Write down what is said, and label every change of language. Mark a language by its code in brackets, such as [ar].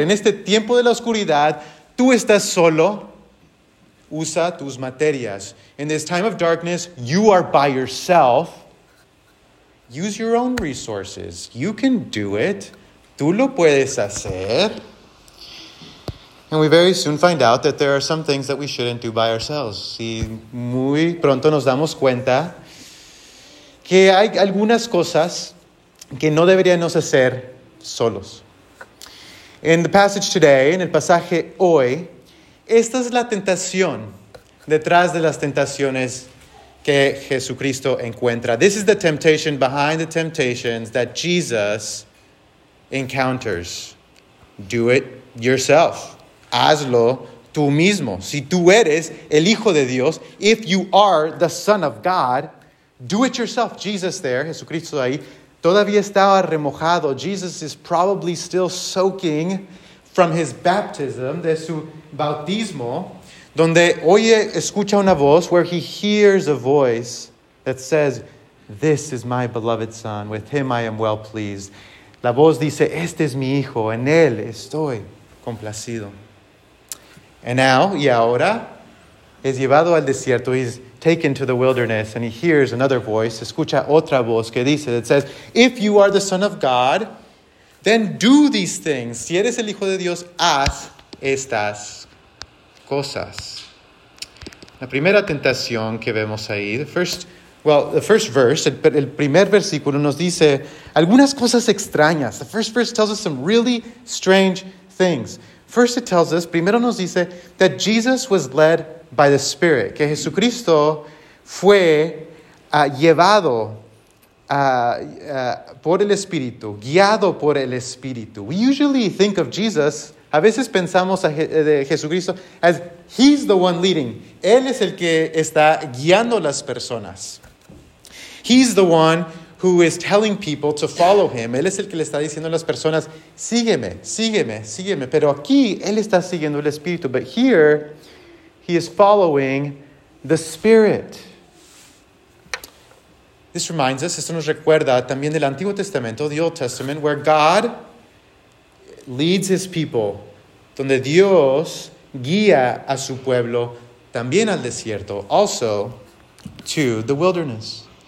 [es] En este tiempo de la oscuridad, tú estás solo. Usa tus materias. [en] In this time of darkness, you are by yourself. Use your own resources. You can do it. [es] Tú lo puedes hacer. [en] And we very soon find out that there are some things that we shouldn't do by ourselves. [es] Y muy pronto nos damos cuenta que hay algunas cosas que no deberíamos hacer solos. [en] In the passage today, [es] en el pasaje hoy, esta es la tentación detrás de las tentaciones que Jesucristo encuentra. [en] This is the temptation behind the temptations that Jesus encounters. Do it yourself. [es] Hazlo tú mismo. Si tú eres el Hijo de Dios, [en] if you are the Son of God, do it yourself. Jesus there, [es] Jesucristo ahí, todavía estaba remojado. [en] Jesus is probably still soaking from his baptism, [es] de su bautismo, donde oye, escucha una voz, [en] where he hears a voice that says, this is my beloved son, with him I am well pleased. [es] La voz dice, este es mi hijo, en él estoy complacido. [en] And now, [es] y ahora, es llevado al desierto, [en] he's taken to the wilderness, and he hears another voice, [es] escucha otra voz que dice, [en] that says, if you are the Son of God, then do these things. [es] Si eres el Hijo de Dios, haz estas cosas. La primera tentación que vemos ahí, el primer versículo nos dice algunas cosas extrañas. [en] The first verse tells us some really strange things. First it tells us, [es] primero nos dice, [en] that Jesus was led by the Spirit. [es] Que Jesucristo fue llevado por el Espíritu, guiado por el Espíritu. [en] We usually think of Jesus, [es] a veces pensamos de Jesucristo, [en] as he's the one leading. [es] Él es el que está guiando las personas. [en] He's the one who is telling people to follow him. [es] Él es el que le está diciendo a las personas, sígueme, sígueme, sígueme. Pero aquí, él está siguiendo el Espíritu. [en] But here, he is following the Spirit. This reminds us, [es] esto nos recuerda también del Antiguo Testamento, [en] the Old Testament, where God leads his people, [es] donde Dios guía a su pueblo también al desierto, [en] also to the wilderness.